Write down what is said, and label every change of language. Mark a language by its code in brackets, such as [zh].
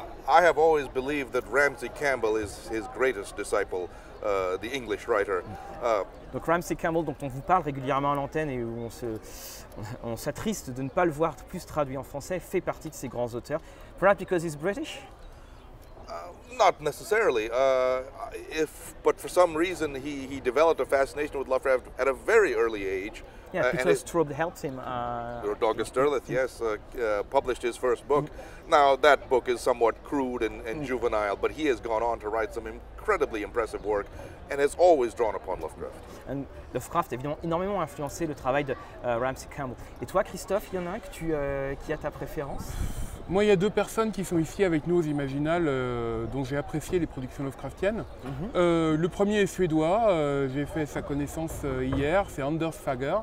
[en] I have always believed that Ramsey Campbell is his greatest disciple, the English writer. [fr] Donc Ramsey Campbell, dont on vous parle régulièrement à l'antenne et où on s'attriste de ne pas le voir plus traduit en français, fait partie de ces grands auteurs. [en] Perhaps because he's British? Not necessarily. But for some reason he developed a fascination with Lovecraft at a very early age. Yeah, because Straub helped him. August Derleth, yes, published his first book. Now, that book is somewhat crude and juvenile, but he has gone on to write some incredibly impressive work and has always drawn upon Lovecraft. [fr] And Lovecraft, évidemment, énormément influencé le travail de Ramsey Campbell. Et toi, Christophe, il y en a un qui a ta préférence? Moi, il y a deux personnes qui sont ici avec nous aux Imaginales dont j'ai apprécié les productions Lovecraftiennes. Mm-hmm. Le premier est suédois, j'ai fait sa connaissance hier, c'est Anders Fager.